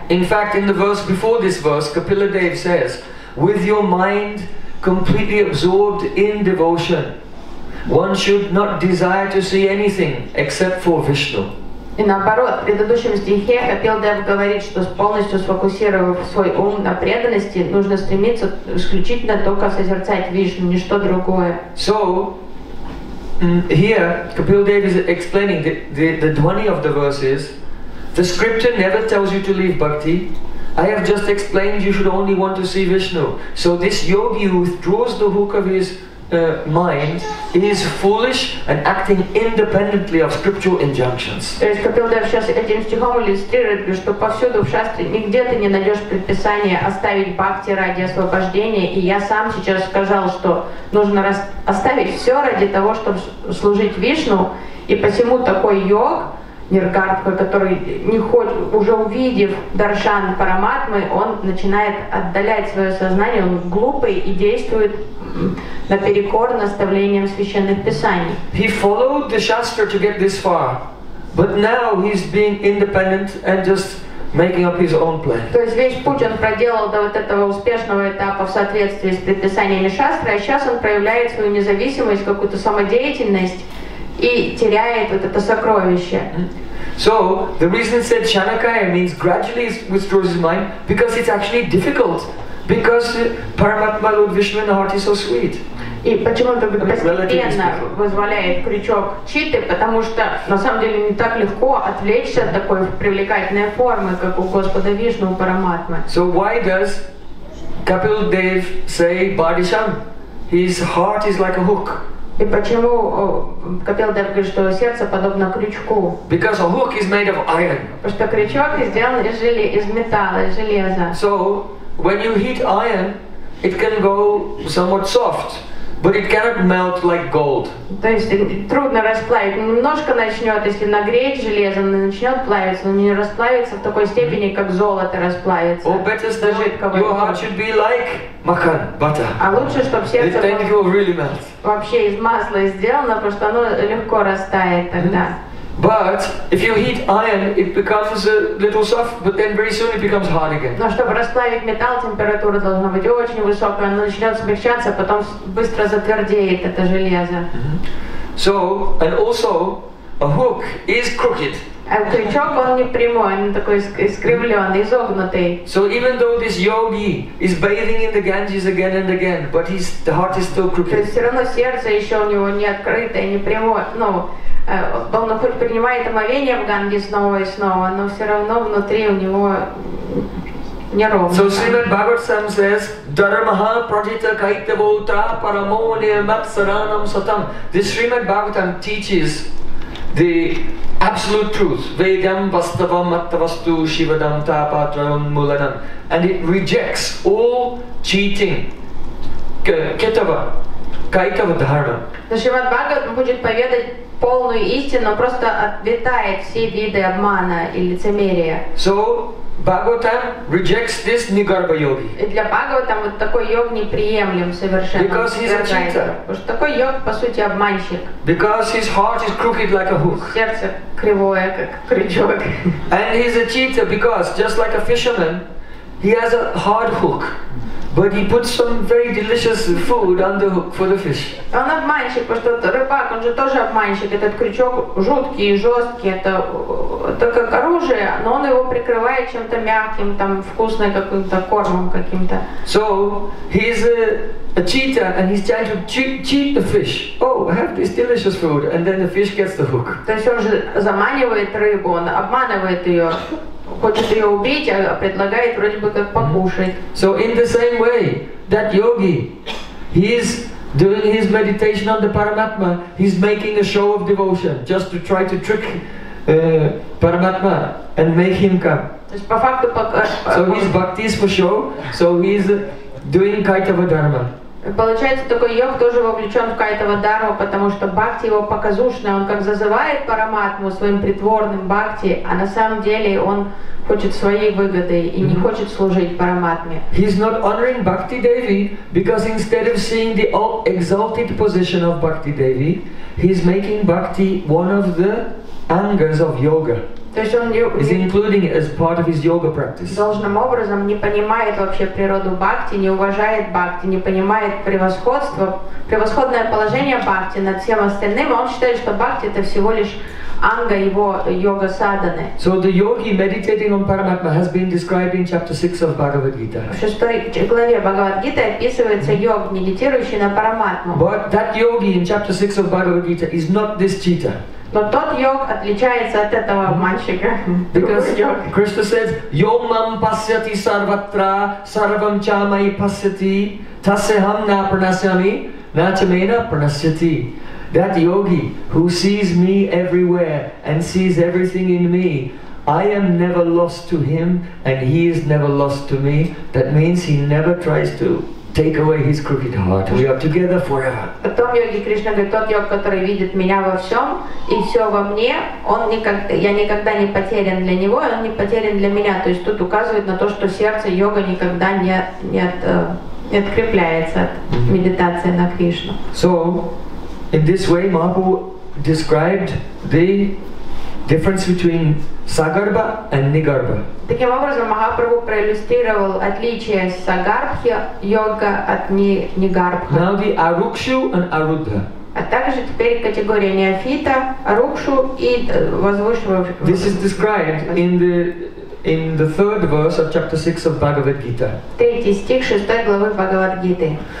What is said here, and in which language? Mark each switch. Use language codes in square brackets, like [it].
[en] In fact, in the verse before this verse, Kapila Dev says, with your mind completely absorbed in devotion, one should not desire to see anything except for Vishnu. [ru] И наоборот, в предыдущем стихе Капил Дев говорит, что полностью сфокусировав свой ум на преданности, нужно стремиться исключительно только созерцать Вишну, ничто другое. [en] So, here, Kapil Dev is explaining the dhvani of the verse is, the scripture never tells you to leave bhakti. I have just explained you should only want to see Vishnu. So this yogi who withdraws the hook of his mind is foolish and acting independently of scriptural injunctions. [ru] То есть Капил Дев сейчас этим стихом иллюстрирует, что повсюду в шастре нигде ты не найдешь предписание оставить бхакти ради освобождения, и я сам сейчас сказал, что нужно оставить все ради того, чтобы служить Вишну, и посему такой йог, Ниргартха, который не хочет, уже увидев даршан параматмы, он начинает отдалять свое сознание, он глупый и действует наперекор наставлениям священных писаний. [en] He followed the Shastra to get this far, but now he's being independent and just making up his own plan. [ru] То есть весь путь он проделал до вот этого успешного этапа в соответствии с предписаниями Шастры, а сейчас он проявляет свою независимость, какую-то самодеятельность, и теряет вот это сокровище. [en] So the reason it said Chanakaya means gradually withdraws his mind because it's actually difficult because Paramatma Lord Vishnu in the heart is so sweet. [ru] И почему это постепенно вызволяет крючок читы, потому что на самом деле не так легко отвлечься от такой привлекательной формы, как у Господа Вишну у Параматмы. [en] So why does Kapil Dev say Bhadisham? His heart is like a hook. [ru] И почему Капил Дев говорит, что сердце подобно крючку? [en] Because a hook is made of iron. [ru] Потому что крючок сделан из металла, из железа. [en] So when you heat iron, it can go somewhat soft, but it cannot melt like gold. [ru] То есть трудно расплавить. Немножко начнет, если нагреть железо, начнет плавиться, но не расплавится в такой степени, как золото расплавится. [en] Or better still, your heart should be like makan butter. [ru] А лучше, чтобы сердце было. [en] Then it will really melt. [ru] Вообще из масла сделано, потому что оно легко растает тогда. [en] But if you heat iron, it becomes a little soft, but then very soon it becomes hard again. [ru] Но чтобы расплавить металл, температура должна быть очень высокая, она начинает смягчаться, потом быстро затвердеет это железо. [en] So and also a hook is crooked. [ru] А крючок он не прямой, он такой искривленный, изогнутый. [en] So even though this yogi is bathing in the Ganges again and again, but his the heart is still crooked. [ru] То есть все равно сердце еще у него не открытое, не прямое, ну. Он хоть принимает омовение в Ганге снова и снова, но все равно внутри у него неровно. [en] So Srimad Bhagavatam says, [sa] Dharmaha Pratita Kaita Vota Paramonya Matsaranam Satam. [en] This Srimad Bhagavatam teaches the absolute truth. [sa] Vedam Vastavam Mattavastu Shivadam Tapatram Mulanam. [en] And it rejects all cheating. Ketava. Кайтава Дхарма. [ru] Шримад Бхагаватам будет поведать полную истину, просто отметает все виды обмана и лицемерия. [en] So Bhagavatam rejects this Nigarbha yogi. [ru] И для Бхагаватам вот такой йог неприемлем совершенно. [en] Because he's a cheater. [ru] Потому что такой йог, по сути, обманщик. [en] Because his heart is crooked like a hook. [ru] Сердце кривое, как крючок. [en] And he's a cheater because, just like a fisherman, he has a hard hook. But he put some very delicious food on the hook for the fish. [ru] Он обманщик, потому что рыбак, он же тоже обманщик. Этот крючок жуткий и жесткий. Это как оружие, но он его прикрывает чем-то мягким, там вкусным каким-то кормом каким-то. [en] So he's a cheater and he's trying to cheat the fish. Oh, I have this delicious food, and then the fish gets the hook. [ru] То есть он же заманивает рыбу, он обманывает ее. Хочет ее убить, а предлагает вроде бы как покушать. [en] So in the same way, that yogi, he is doing his meditation on the Paramatma, he's making a show of devotion, just to try to trick Paramatma and make him come. [ru] То есть по факту [en] So his bhakti is for show, so he's doing Kaitava Dharma. [ru] Получается, такой йог тоже вовлечен в Кайтава Дарму, потому что бхакти его показушная, он как зазывает Параматму своим притворным бхакти, а на самом деле он хочет своей выгоды и не хочет служить Параматме. [en] He's not honoring Bhakti Devi, because instead of seeing the all exalted position of Bhakti Devi, he's making Bhakti one of the angas of yoga. [ru] То есть он [en] is including it as part of his yoga practice. [ru] Должным образом не понимает вообще природу бхакти, не уважает бхакти, не понимает превосходство, превосходное положение бхакти над всем остальным, он считает, что бхакти это всего лишь анга его йога садханы. [en] So the yogi meditating on Paramatma has been described in chapter 6 of Bhagavad Gita. [ru] В шестой главе Бхагавад Гиты описывается йог, медитирующий на Параматму. [en] But that yogi in chapter 6 of Bhagavad Gita is not this cheater. [ru] Но тот йог отличается от этого мальчика. [en] Because Krishna says, [sa] Yomam pasyati sarvatra sarvam chamai pasyati tasyaham na pranasyami na chamena pranasyati. [en] That yogi who sees me everywhere and sees everything in me, I am never lost to him and he is never lost to me. That means he never tries to take away his crooked heart. We are together forever. [ru] Потом йоги Кришна говорит, тот йог, который видит меня во всем и все во мне, он никогда, я никогда не потерян для него, и он не потерян для меня. То есть тут указывает на то, что сердце йога никогда не открепляется от медитации на Кришну. [en] So, in this way, Mahaprabhu described the difference between Sagarbha and Nigarbha. [ru] Таким образом, Махапрабху проиллюстрировал отличие Сагарбхи йога от Нигарбхи. [en] Now the Арукшу and Арудха. [ru] А также теперь категория неофита, Арукшу и возвышивающего. [en] This is described in the third verse of chapter 6 of Bhagavad Gita. [ru] Третий стих шестой главы Бхагавад Гиты.